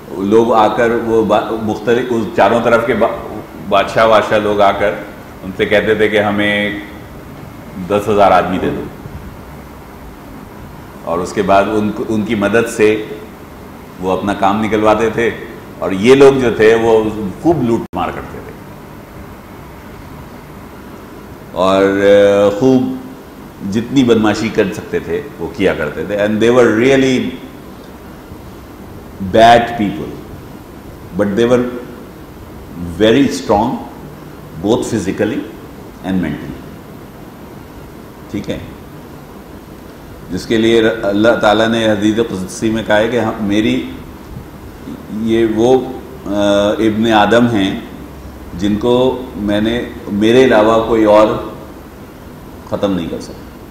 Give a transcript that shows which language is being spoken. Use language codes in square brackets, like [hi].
[ur] لوگ آ کر وہ مختلف چاروں طرف کے بادشاہ وادشاہ لوگ آ کر ان سے کہتے تھے کہ ہمیں 10,000 آدمی دے دو, اور اس کے بعد ان کی مدد سے وہ اپنا کام نکلواتے تھے, اور یہ لوگ جو تھے وہ خوب لوٹ مار کرتے تھے اور خوب جتنی بدماشی کر سکتے تھے وہ کیا کرتے تھے. [en] And they were really bad people, but they were very strong both physically and mentally. [ur] ٹھیک ہے, جس کے لیے اللہ تعالیٰ نے حدیث قدسی میں کہا ہے کہ میری یہ وہ ابن آدم ہیں جن کو میں نے میرے علاوہ کوئی اور ختم نہیں کر سکتا.